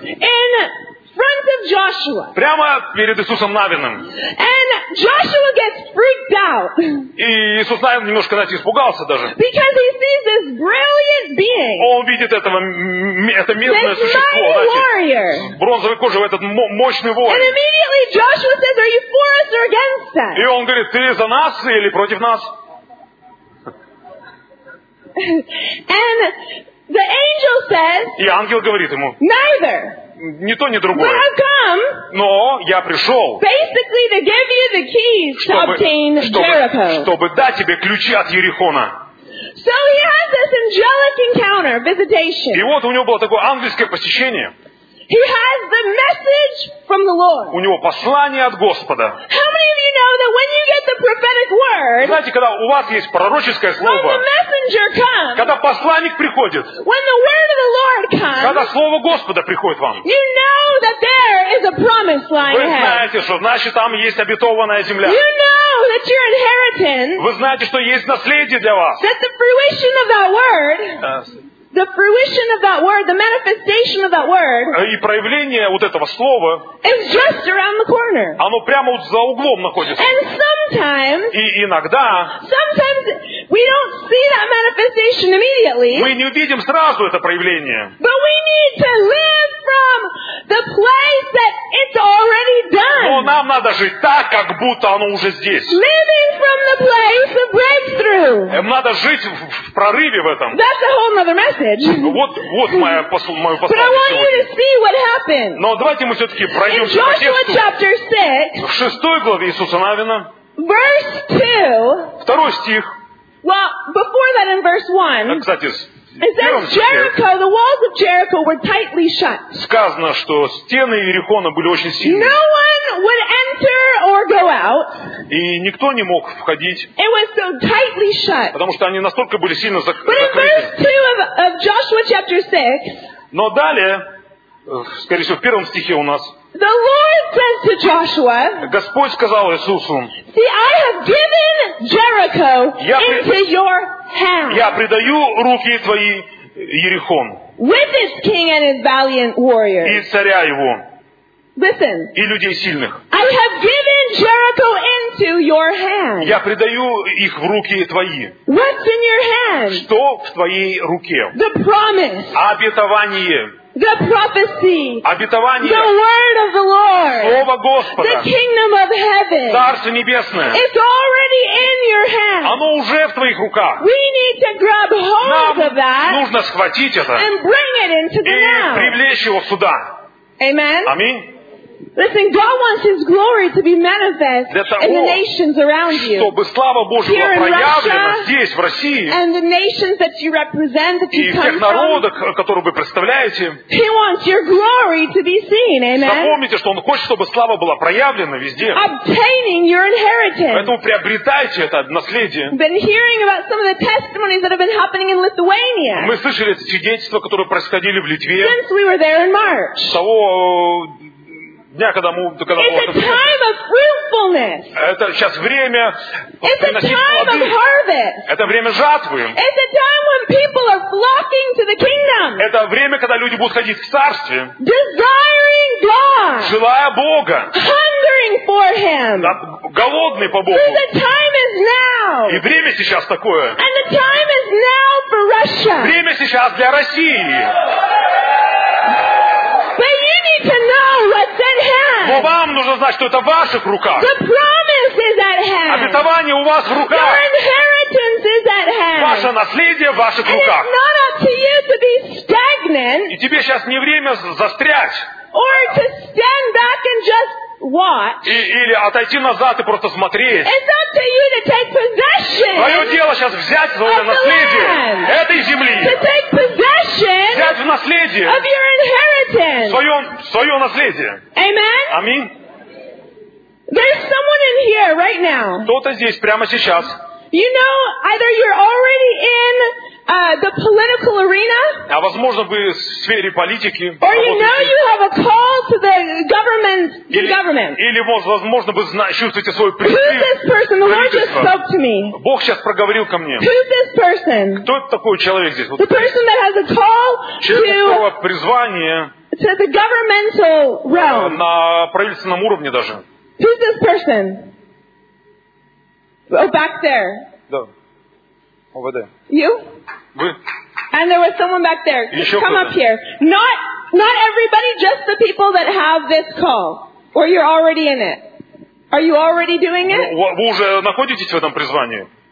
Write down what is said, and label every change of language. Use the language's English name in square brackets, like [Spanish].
[English] In front of Joshua. [Russian] Прямо перед Иисусом Навином. [English] And Joshua gets freaked out. [Russian] И Иисус Навин немножко, знаете, испугался даже. [English] Because he sees this brilliant being. [Russian] Он видит этого, это местное существо, знаете, с бронзовой кожей, этот мощный воин. [English] And immediately Joshua says, "Are you for us or against us?" [Russian] И он говорит, ты за нас или против нас? [English] And the angel says, [Russian] и ангел говорит ему, [English] neither. [Russian] Ни то, ни другое. [English] But I've come, [Russian] но я пришел, [English] basically to give you the keys to obtain Jericho. [Russian] Чтобы дать тебе ключи от Иерихона. [English] So he has this angelic encounter, visitation. [Russian] И вот у него было такое ангельское посещение. [English] He has the message from the Lord. [Russian] У него послание от Господа. [English] How many of you know that when you get the prophetic word, [Russian] знаете, когда у вас есть пророческое слово, [English] when the messenger comes, [Russian] когда посланник приходит, [English] when the word of the Lord comes, [Russian] когда слово Господа приходит вам, [English] you know that there is a promise lying ahead. [Russian] Вы знаете, что значит там есть обетованная земля. [English] You know that your inheritance. [Russian] Вы знаете, что есть наследие для вас. [English] That the fruition of that word. The fruition of that word, the manifestation of that word, [Russian] и проявление вот этого слова, [English] is just around the corner. [Russian] Оно прямо вот за углом находится. [English] And sometimes, [Russian] и иногда, [English] sometimes we don't see that manifestation immediately, [Russian] мы не увидим сразу это проявление. [English] But we need to live from the place that it's already done. [Russian] Но нам надо жить так, как будто оно уже здесь. [English] Living from the place of breakthrough. [Russian] Надо жить в прорыве в этом. [English] That's a whole other message. [Russian] Вот моя послание. [English] But I want you to see what happened. [Russian] Но давайте мы все-таки пройдем по тексту. [English] Chapter 6, [Russian] в шестой главе Иисуса Навина. [English] Verse 2. [Russian] Второй стих. [English] Well, before that in verse 1. [Russian] Так, кстати, [English] it says Jericho, the walls of Jericho were tightly shut. [Russian] Сказано, что стены Иерихона были очень сильные. [English] No one would enter or go out. [Russian] И никто не мог входить. [English] It was so tightly shut. [Russian] Потому что они настолько были сильно закрыты. [English] But in verse 2 of Joshua chapter 6. [Russian] Но далее, скорее всего, в первом стихе у нас. [English] The Lord says to Joshua. [Russian] Господь сказал Иисусу. [English] See, I have given Jericho into your hands. [Russian] Я предаю руки твои Иерихон. [English] With this king and his valiant warriors. [Russian] И царя его. [English] Listen. [Russian] И людей сильных. [English] I have given Jericho into your hands. [Russian] Я предаю их в руки твои. [English] What's in your hand? [Russian] Что в твоей руке? [English] The promise. [Russian] Обетование. [English] The prophecy. [Russian] Обетование. [English] The word of the Lord. [Russian] Слово Господа. [English] The kingdom of heaven. [Russian] Царство небесное. [English] It's already in your hands. [Russian] Оно уже в твоих руках. [English] We need to grab hold of that. [Russian] Нам нужно схватить это. [English] And bring it into the now. [Russian] И привлечь его сюда. [English] Amen. [Russian] Аминь. [English] Listen, God wants His glory to be manifest [Russian] того, [English] in the nations around you. [Russian] Чтобы слава Божия [English] here [Russian] была проявлена [English] Russia, [Russian] здесь, в России. [English] And the nations that you represent, that you [Russian] и всех народах, которые вы представляете. [English] He wants your glory to be seen. Amen. [Russian] Запомните, что Он хочет, чтобы слава была проявлена везде. [English] Obtaining your inheritance. [Russian] Поэтому приобретайте это наследие. [English] Been hearing about some of the testimonies that have been happening in Lithuania. [Russian] Мы слышали свидетельства, которые происходили в Литве. [English] Since we were there in March. [Russian] Дня, когда мы, когда [English] it's [Russian] мы, [English] a time of fruitfulness. [Russian] Это сейчас время приносить плоды. [English] It's a time of harvest. [Russian] Это время жатвы. [English] It's a time when people are flocking to the kingdom. [Russian] Это время, когда люди будут ходить в царстве. [English] Desiring God. [Russian] Желая Бога. [English] Hungering for Him. [Russian] Голодный по Богу. [English] So the time is now. [Russian] И время сейчас такое. [English] And the time is now for Russia. [Russian] Время сейчас для России. [English] But you need to know what's at hand. [Russian] Но вам нужно знать, что это в ваших руках. [English] The promise is at hand. [Russian] Обетование у вас в руках. [English] Your inheritance is at hand. [Russian] Ваше наследие в ваших [English] and [Russian] руках. [English] It's not up to you to be stagnant. [Russian] И тебе сейчас не время застрять. [English] Or to stand back and just watch. [Russian] Или отойти назад и просто смотреть. [English] It's up to you to take possession. [Russian] Твое дело сейчас взять свое наследие этой земли. [English] To take possession. [Russian] Взять в наследие. [English] Of your inheritance. [Russian] Свое наследие. [English] Amen. [Russian] Аминь. [English] There's someone in here right now. [Russian] Кто-то здесь прямо сейчас. [English] You know, either you're already in the political arena, [Russian] а возможно, вы в сфере политики, [English] or you know you have a call to the government. [Russian] Или возможно, вы чувствуете свой призыв. [English] Who's this person? The Lord just spoke to me. [Russian] Бог сейчас проговорил ко мне. [English] Who's this person? [Russian] Кто это такой человек здесь? [English] The person that has a call [Russian] to призвание [English] to the governmental realm. [Russian] На правительственном уровне даже. [English] Who's this person? Oh, back there. [Russian] Да. [English] Over there. You? [Russian] Вы? [English] And there was someone back there. [Russian] Еще кто-то? [English] Up here. Not everybody, just the people that have this call. Or you're already in it. Are you already doing it? [Russian] Вы уже находитесь в этом призвании?